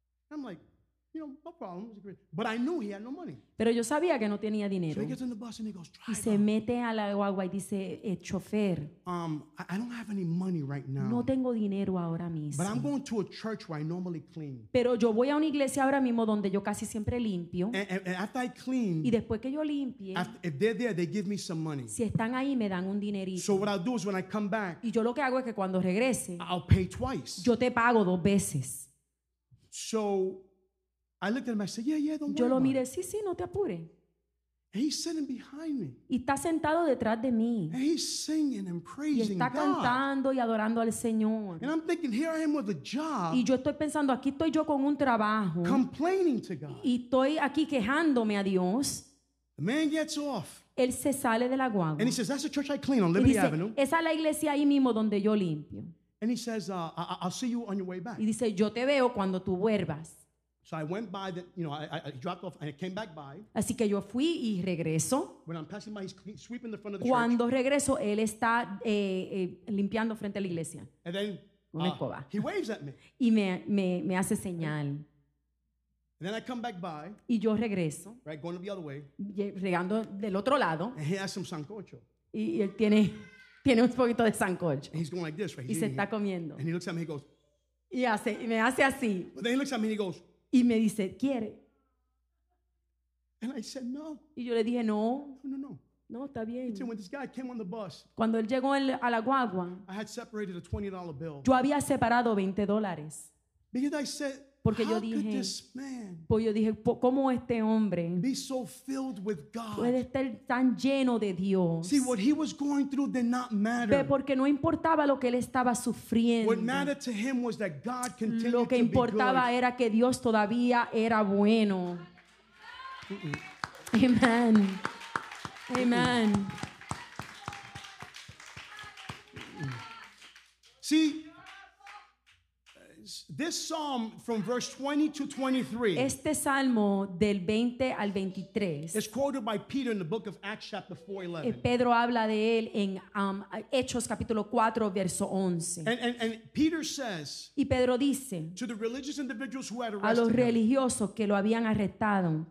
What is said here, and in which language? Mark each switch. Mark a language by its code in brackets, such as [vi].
[en] I'm like, you know, no problem. But I knew he had no money. [es] Pero yo sabía que no tenía dinero. [en] So he gets on the bus and he goes, driver. [es] Y se mete a la guagua y dice, chofer. [en] I don't have any money right now. [es] No tengo dinero ahora mismo. [en] But I'm going to a church where I normally clean. [es] Pero yo voy a una iglesia ahora mismo donde yo casi siempre limpio. [en] And after I clean, [es] y después que yo limpie, [en] if they're there, they give me some money. [es] Si están ahí, me dan un dinerito. [en] So what I'll do is when I come back, [es] y yo lo que hago es que cuando regrese, [en] I'll pay twice. [es] Yo te pago dos veces. [en] So I looked at him, I said, yeah, don't worry. [es] Yo lo miré, sí, sí, no te apure. [en] And he's sitting behind me. [es] Y está sentado detrás de mí. [en] And he's singing and praising God. [es] Y está cantando y adorando al Señor. [en] And I'm thinking, here I am with a job. [es] Y yo estoy pensando, aquí estoy yo con un trabajo. [en] Complaining to God. [es] Y estoy aquí quejándome a Dios. [en] The man gets off. [es] Él se sale de la guagua. [en] And he says, that's the church I clean on Liberty Avenue. [es] Esa es la iglesia ahí mismo donde yo limpio. [en] And he says, I'll see you on your way back. [es] Y dice, yo te veo cuando tú vuelvas. [en] So I went by, I dropped off, and I came back by. [es] Así que yo fui y regreso. [en] When I'm passing by, he's sweeping the front of the [es] Cuando [en] church. [es] Regreso, él está limpiando frente a la iglesia. [en] And then he waves at me. [es] Y me hace señal. [en] And then I come back by. [es] Y yo regreso. [en] Right, going the other way. [es] Regando del otro lado. [en] And he has some sancocho. [es] Y él tiene un poquito de sancocho. [en] And he's going like this, right? [es] Y se está comiendo. [en] And he looks at me, he goes. [es] Y me hace así. [en] But then he looks at me, he goes. [es] Y me dice, ¿quiere? [en] And I said, no. [es] Y yo le dije, no. [en] No. [es] No, está bien. [en] Said, when this guy came on the bus, [es] cuando él llegó a la guagua, [en] I had separated a $20 bill. [es] Yo había separado $20. [en] Because I said, [es] porque [en] how [es] yo dije, [en] could this man [es] yo dije, ¿cómo este hombre [en] be so filled with God? [es] Puede estar tan lleno de Dios. [en] See, what he was going through did not matter. [es] Porque no importaba lo que él estaba sufriendo. [en] What mattered to him was that God continued to be good. [es] Lo que importaba era que Dios todavía era bueno. [en] Amen. Amen. [es] See, this psalm from verse 20 to 23. [en] Este salmo del 20 al 23. [es] Is quoted by Peter in the book of Acts chapter 4:11. [en] Pedro habla de él en Hechos capítulo 4 verso 11. [es] And Peter says. [en] Y Pedro dice. [es] To the religious individuals who had arrested him. A los religiosos que lo habían arrestado.